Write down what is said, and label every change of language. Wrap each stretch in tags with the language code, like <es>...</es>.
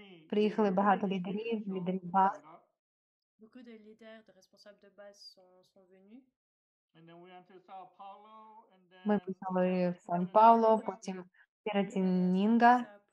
<uk>Приїхали багато лідерів, лідерів баз.</uk> <fr>Beaucoup de leaders, de responsables de base sont venus.</fr> <en>And then we went to São Paulo, and then</en> <uk>ми поїхали в Сан-Пауло, потім Пиратининга.</uk>